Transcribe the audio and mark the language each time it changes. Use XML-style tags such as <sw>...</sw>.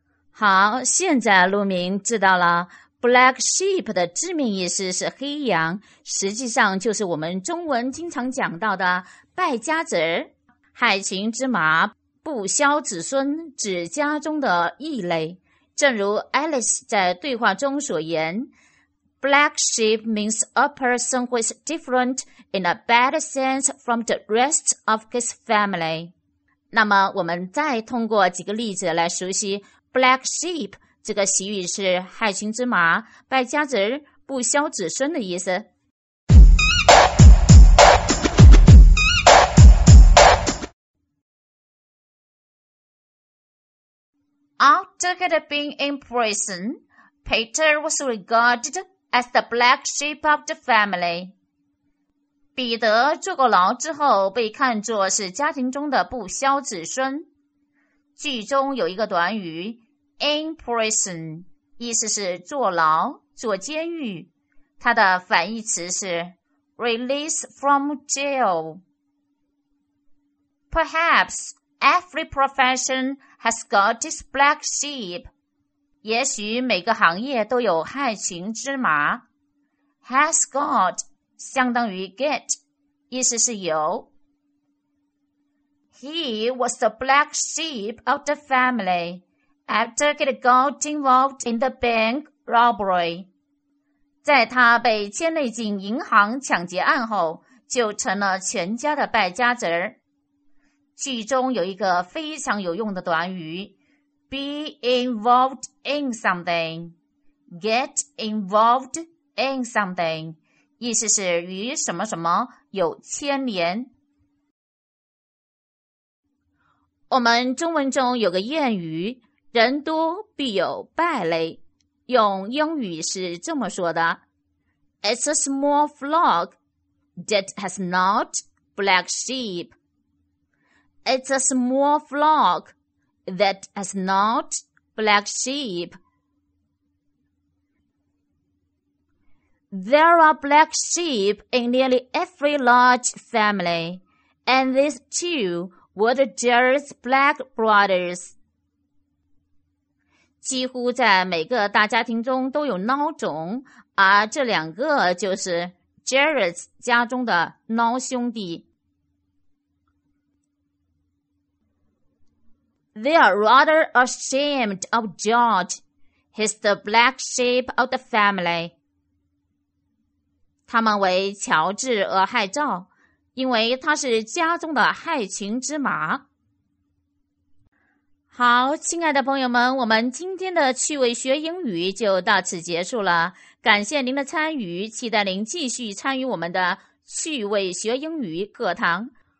<zh>好，现在陆明知道了 black sheep 的字面意思是黑羊，实际上就是我们中文经常讲到的败家子，害群之马，不肖子孙，指家中的异类。正如 Alice 在对话中所言，</zh> <en>black sheep means a person who is different in a bad sense from the rest of his family。</en> <zh>那么我们再通过几个例子来熟悉Black sheep 这个习语，是害群之马、败家子、不肖子孙的意思。</zh> <en>After he had been in prison, Peter was regarded as the black sheep of the family.</en> <zh>彼得坐过牢之后，被看作是家庭中的不肖子孙。句中有一个短语in prison, 意思是坐牢、坐监狱，它的反义词是 release from jail.</zh> <en>Perhaps every profession has got its black sheep.</en> <zh>也许每个行业都有害群之马。 Has got 相当于 get, 意思是有。</zh> <en>He was the black sheep of the family. After he got involved in the bank robbery,</en> <zh>在他被牵累进银行抢劫案后，就成了全家的败家子儿。剧中有一个非常有用的短语</zh> <en>be involved in something,</en> <zh>get involved in something, 意思是与什么什么有牵连。我们中文中有个谚语，人多必有败类，用英语是这么说的，</zh> <en>It's a small flock that has not black sheep. It's a small flock that has not black sheep. There are black sheep in nearly every large family, and these two were the dearest black brothers.</en> <zh>几乎在每个大家庭中都有孬种，而这两个就是 Jared 家中的孬兄弟。</zh> <en>They are rather ashamed of George. He's the black sheep of the family.</en> <zh>他们为乔治而害臊，因为他是家中的害群之马。好，亲爱的朋友们，我们今天的趣味学英语就到此结束了。感谢您的参与，期待您继续参与我们的趣味学英语课堂。</zh>